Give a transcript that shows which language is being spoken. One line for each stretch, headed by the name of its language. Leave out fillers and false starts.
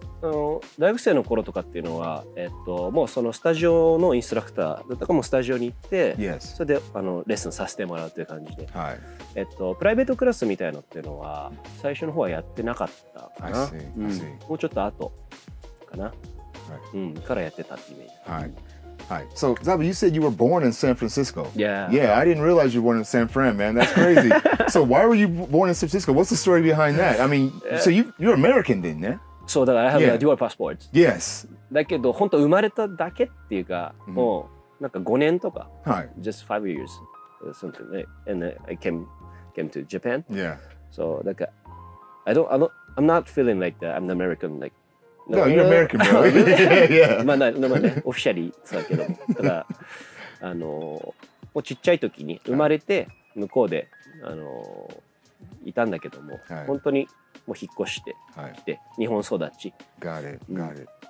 Japanese: 大学生の頃とかっていうのは、もうそのスタジオのインストラクターだとかもスタジオに行って、
English: yes.
Japanese: それでレッスンさせてもらうという感じで、はい、プライベートクラスみたいなのっていうのは最初の方はやってなかったかな。
English: I see. I see.
Japanese: もうちょっと後かな、はい、うん、からやってたってイメージ。はい、
English: Hi. So, Zabu, you said you were born in San Francisco. Yeah. Yeah, I didn't realize you were born in San Fran, man. That's crazy. So, why were you born in San Francisco? What's the story behind that? I mean, so you're American then, yeah? So,
Japanese: だから
English: I have、yeah. a dual passport. Yes.
Japanese: だけど、本当生まれただけっていうか、mm-hmm. もうなんか5年とか、はい、
English: just 5 years or something, right? And I came to Japan. Yeah. So,
Japanese: だから
English: I don't, I'm not feeling like that. I'm an American, like, No, you're American, bro. yeah.
Japanese: まあ、なまあね、オフィシャリーだけど、ただ、もうちっちゃい時に生まれて向こうで、いたんだけども、はい、本当にもう引っ越してきて、はい、日本育ち。
English: Got it, got it.